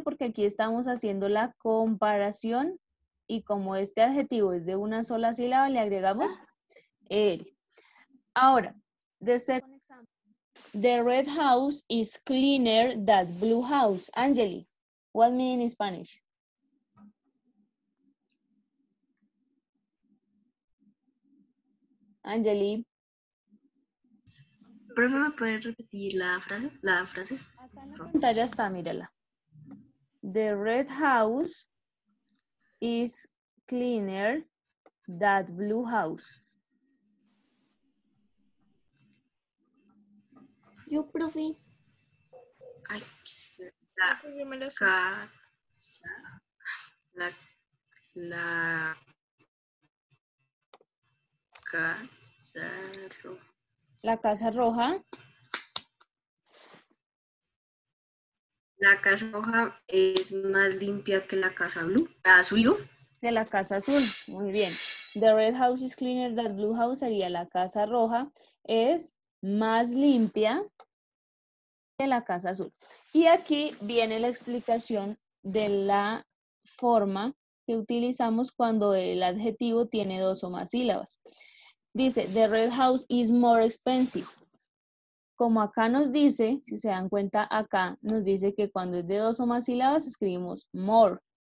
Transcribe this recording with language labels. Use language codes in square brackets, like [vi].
[es] Porque aquí estamos haciendo la comparación y como este adjetivo es de una sola sílaba, le agregamos el. Ahora, [en] the second example. The red house is cleaner than blue house. Angeli, what mean in Spanish? Angeli. [es] Profe, ¿me puede repetir la frase? La frase. Acá en la pantalla está, mírala. [en] The red house is cleaner than blue house. [es] Yo, profe. Ay, la casa. La casa roja. La casa roja. La casa roja es más limpia que la casa blue, azul. De la casa azul, muy bien. [en] The red house is cleaner than blue house. [es] Sería la casa roja es más limpia que la casa azul. Y aquí viene la explicación de la forma que utilizamos cuando el adjetivo tiene dos o más sílabas. Dice, [en] the red house is more expensive. [es] Como acá nos dice, si se dan cuenta acá, nos dice que cuando es de dos o más sílabas, escribimos more.